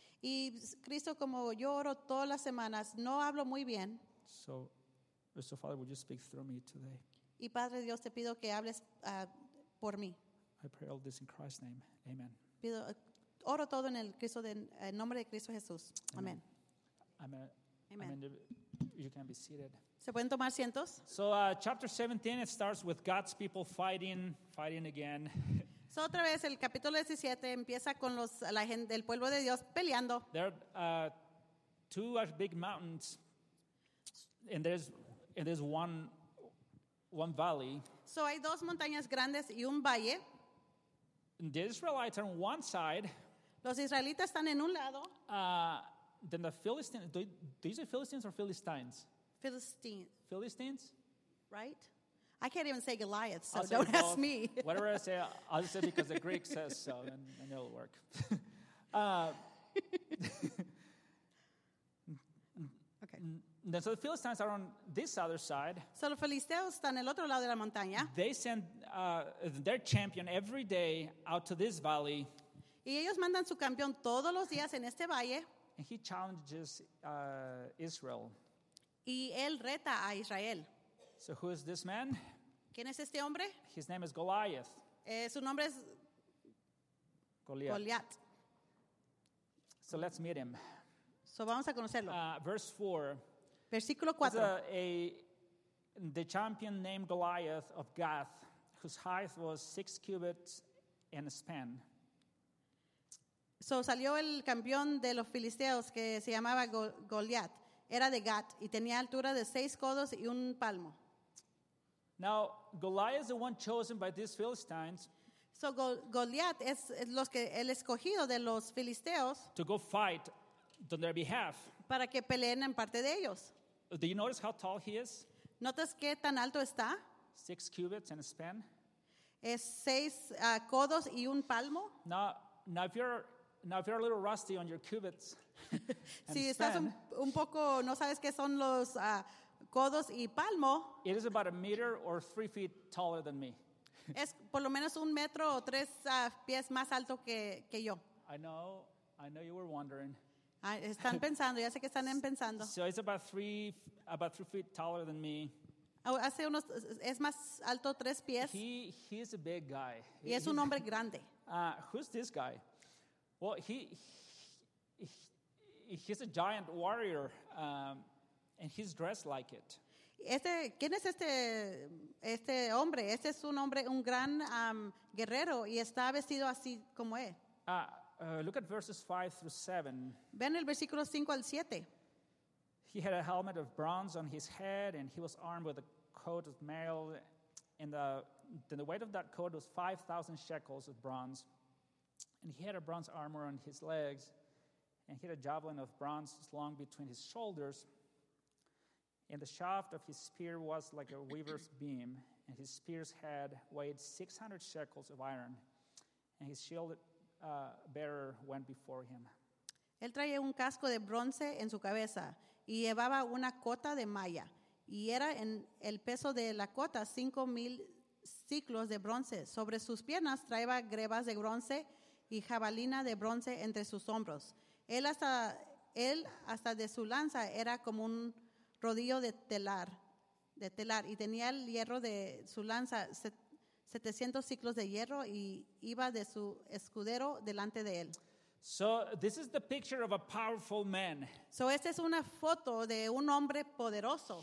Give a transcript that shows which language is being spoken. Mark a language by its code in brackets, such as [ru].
[es] Y Cristo, como yo oro todas las semanas, no hablo muy bien. [en] So Father, would you speak through me today? [es] Y Padre Dios, te pido que hables por mí. [en] I pray all this in Christ's name. Amen. [es] Pido, oro todo en el Cristo de, en nombre de Cristo Jesús. [en] Amen. Amen. You can be seated. [es] ¿Se pueden tomar asientos? [en] So chapter 17, it starts with God's people fighting again. [es] So otra vez el capítulo 17 empieza con los la gente del pueblo de Dios peleando. [en] There are two big mountains, and there's one valley. [es] So hay dos montañas grandes y un valle. [en] And the Israelites are on one side. [es] Los israelitas están en un lado. [en] Then the Philistines. These are Philistines or Philistines? Philistines. Philistines. Right. I can't even say Goliath, so say don't ask me. Whatever I say, I'll just say because the Greek says so, and it'll work. okay. So the Philistines are on this other side. [es] So los filisteos están el otro lado de la montaña. [en] They send their champion every day out to this valley. [es] Y ellos mandan su campeón todos los días en este valle. [en] And he challenges Israel. [es] Y él reta a Israel. [en] So who is this man? [es] ¿Quién es este hombre? [en] His name is Goliath. [es] Su nombre es Goliath. Goliath. [en] So let's meet him. [es] So vamos a conocerlo. [en] Verse 4. [es] Versículo 4. [en] The champion named Goliath of Gath, whose height was 6 cubits and a span. [es] So salió el campeón de los filisteos que se llamaba Goliath. Era de Gat y tenía altura de 6 codos y un palmo. [en] Now, Goliath is the one chosen by these Philistines. [es] So Goliath es los que el escogido de los filisteos. [en] To go fight on their behalf. [es] Para que peleen en parte de ellos. [en] Do you notice how tall he is? [es] ¿Notas qué tan alto está? [en] 6 cubits and a span. [es] Es 6 codos y un palmo. [en] Now, if you're a little rusty on your cubits. [es] Si estás un poco, no sabes qué son los codos y palmo. [en] It is about 1 meter or 3 feet taller than me. [es] Es por lo menos 1 metro o 3 pies más alto que yo. [en] I know you were wondering. [es] Están pensando, ya sé que están pensando. [en] So it's about three feet taller than me. [es] Hace unos, es más alto 3 pies. [en] He's a big guy. [es] Y es un hombre grande. [en] Who's this guy? Well, he's a giant warrior, and he's dressed like it. [es] Este, ¿quién es este hombre? Este es un hombre, un gran guerrero, y está vestido así como él. [en] Look at verses 5 through 7. [es] Ven el versículo 5 al 7. [en] He had a helmet of bronze on his head, and he was armed with a coat of mail, and the weight of that coat was 5,000 shekels of bronze. And he had a bronze armor on his legs, and he had a javelin of bronze slung between his shoulders. And the shaft of his spear was like a weaver's beam, and his spear's head weighed 600 shekels of iron, and his shield bearer went before him. [es] Él traía un casco de bronce en su cabeza, y llevaba una cota de malla, y era en el peso de la cota 5,000 siclos de bronce. Sobre sus piernas traía grebas de bronce, y jabalina de bronce entre sus hombros. Él hasta de su lanza era como un rodillo de telar, y tenía el hierro de su lanza, 700 ciclos de hierro, y iba de su escudero delante de él. [en] So this is the picture of a powerful man. [es] So esta es una foto de un hombre poderoso.